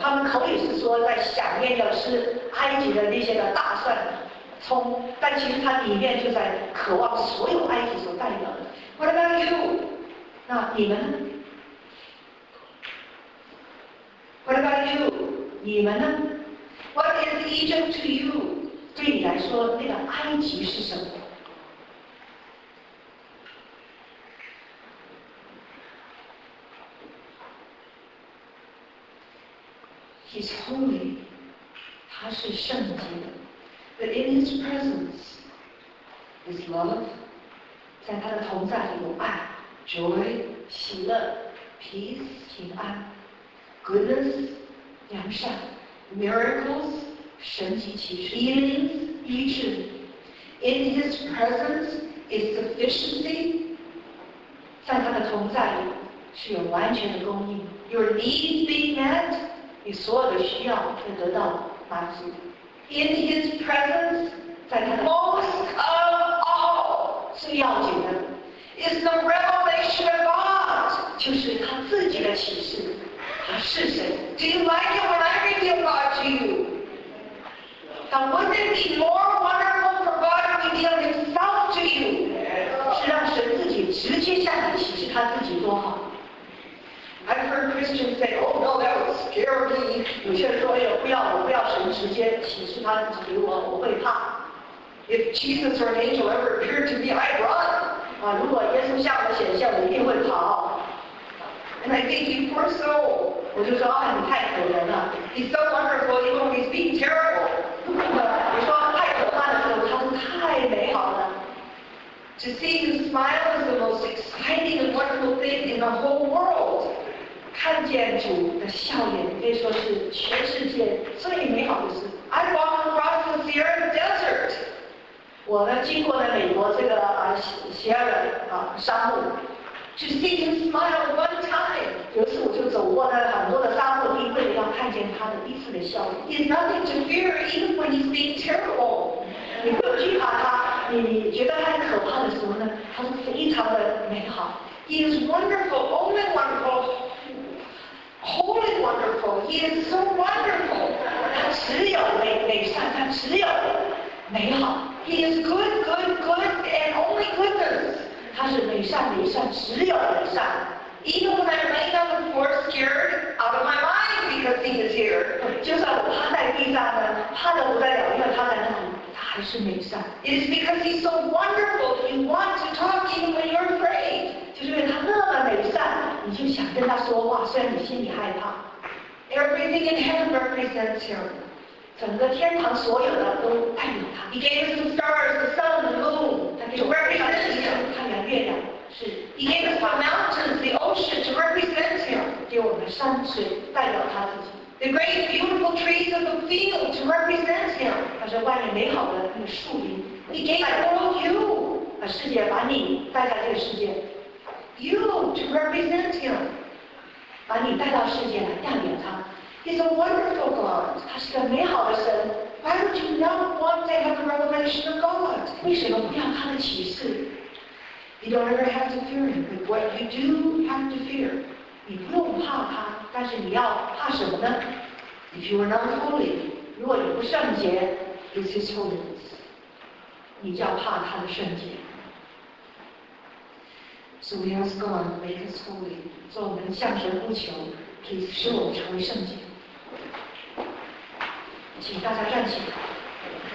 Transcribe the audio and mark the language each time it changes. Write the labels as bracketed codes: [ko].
[zh] 他们口语是说在想念的是埃及的那些的大蒜、葱，但其实它里面就在渴望所有埃及所代表的。 [en] What about you? [zh] 那你们？ [en] What about you? [zh] 你们呢 [en] ？What is Egypt to you? [zh] 对你来说，那个埃及是什么 [en] ？He's holy. [zh] 他是圣洁的。 [en] But in His presence is love. [zh] 在他的同在里有爱 [en] ，joy [zh] 喜乐 [en] ，peace [zh] 平安。 [en] Goodness, [zh] 良善 [en] miracles, [zh] 神奇奇事 [en] healings, [zh] 医治 [en] in His presence is sufficiency, [zh] 在他的同在里是有完全的供应 [en] your needs being met, [zh] 你所有的需要会得到满足 [en] in His presence, [zh] 在他的 [en] most of all, [zh] 最要紧的 [en] is the revelation of God, [zh] 就是他自己的启示是谁 [en] Do you like it when I read about you? Now, wouldn't it be more wonderful for God to reveal Himself to you? [zh] 是让神自己直接向你启示他自己多好。 [en] I've heard Christians say, "Oh no, that would scare me." [zh] 有些人说，哎呦，不要，我不要神直接启示他自己给我，我会怕。 [en] If Jesus or an angel ever appeared to me, I'd run. [zh] 啊，如果耶稣向我显现，我一定会跑。 [en] And I think, you poor soul. [zh] 我就说啊，你太可怜了。 [en] He's so wonderful, even when he's being terrible. [zh] 你说太可怕的时候，他是太美好了。 [en] To see you smile is the most exciting and wonderful thing in the whole world. [zh] 看见主的笑脸可以说是全世界最美好的事。 [en] I walk across the Sierra Desert. [zh] 我呢，经过了美国这个啊，Sierra啊，沙漠。 [en] To see him smile one time. [zh] 有时我就走过了很多的沙漠地，为了要看见他的一次的笑容。 [en] He's nothing to fear, even when he's being terrible. [zh] 你不惧怕他，你觉得他很可怕的时候呢？他是非常的美好。 [en] He is wonderful, only wonderful, wholly wonderful. He is so wonderful. [zh] 他只有美善，他只有美好。 [en] He is good, good, good, and only goodness. [zh] 他是美善美善，只有美善。 [en] Even when I lay on the floor scared out of my mind because he is here， [zh] 就算我趴在地上呢，趴得不得了，因为他在那里，他还是美善。 [en] It is because he's so wonderful. You want to talk to him when you're afraid， [zh] 就是因为他那么美善，你就想跟他说话，虽然你心里害怕。 [en] Everything in heaven represents him。 [zh] 整个天堂所有的都代表他。 [en] He gave us the stars, the sun, the moon. [zh] 他给我们太阳、太阳、月亮。是。 [en] He gave us the mountains, the ocean to represent him. [zh] 给我们山水代表他自己。 [en] The great beautiful trees of the field to represent him. [zh] 他说外面美好的那个树林。 [en] He gave the world you. [zh] 把世界把你带到这个世界。 [en] You to represent him. [zh] 把你带到世界来代表他。 [en] He's a wonderful God. [zh] 他是个美好的神。 [en] Why would you not want to have the revelation of God? [zh] 为什么不要他的启示？ [en] You don't ever have to fear him, but what you do have to fear. [zh] 你不用怕他，但是你要怕什么呢？ [en] If you are not holy, [zh] 如果你不圣洁， [en] it's his holiness. [zh] 你就要怕他的圣洁。 [en] So we ask God to make us holy. [zh] 做我们向神呼求。可以使我们成为圣洁，请大家站起来。